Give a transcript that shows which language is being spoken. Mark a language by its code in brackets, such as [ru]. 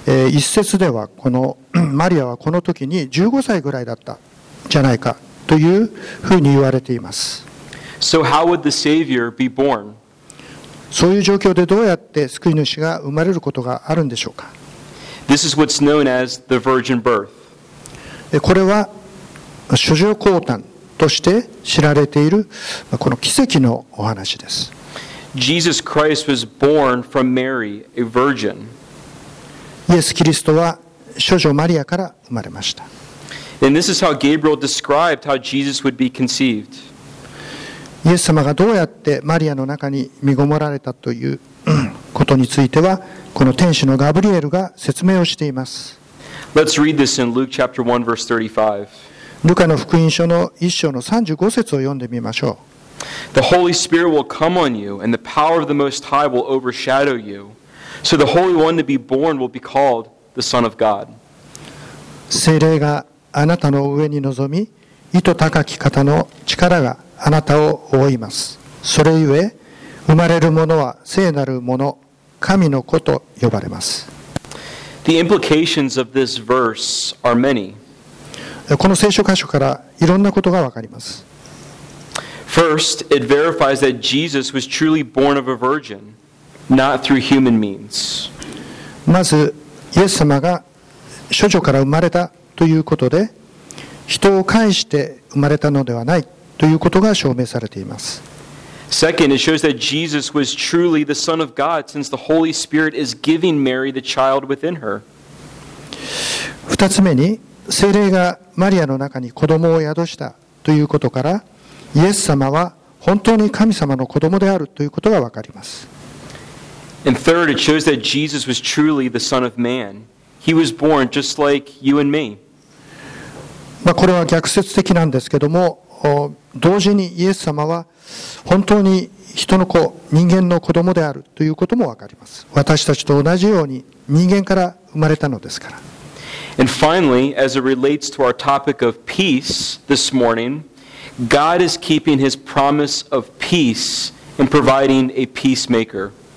[ja] 一説ではこのマリアはこの時に15歳ぐらいだったじゃないかというふうに言われています。 [en] So how would the Savior be born? [ja] そういう状況でどうやって救い主が生まれることがあるんでしょうか。 [en] This is what's known as the virgin birth. [ja] これは処女降誕として知られているこの奇跡のお話です。 [en] Jesus Christ was born from Mary, a virgin. [ja] イエス・キリストは処女マリアから生まれました。 [en] And this is how Gabriel described how Jesus would be conceived. [ja] イエス様がどうやってマリアの中に身ごもられたということについてはこの天使のガブリエルが説明をしています。 [en] Let's read this in Luke chapter 1 verse 35. [ja] ルカの福音書の1章の35節を読んでみましょう。 [en] The Holy Spirit will come on you and the power of the Most High will overshadow youSo the Holy One to be born will be called the Son of God. [ja] 聖霊があなたの上に臨み、いと高き方の力があなたを覆います。それゆえ、生まれるものは聖なるもの、神の子と呼ばれます。 [en] The implications of this verse are many. [ja] この聖書箇所からいろんなことがわかります。 [en] First, it verifies that Jesus was truly born of a virgin. Not through human means. [ja] まずイエス様が処女から生まれたということで人を介して生まれたのではないということが証明されています。 [en] Second, it shows that Jesus was truly the Son of God since the Holy Spirit is giving Mary the child within her. [ja] 二つ目に聖霊がマリアの中に子供を宿したということからイエス様は本当に神様の子供であるということがわかります。 [en] And third, it shows that Jesus was truly the Son of Man. He was born just like you and me. [ja] まあこれは逆説的なんですけども、同時にイエス様は本当に人の子、人間の子供であるということもわかります。私たちと同じように人間から生まれたのですから。 [en] And finally, as it relates to our topic of peace this morning, God is keeping His promise of peace and providing a peacemaker.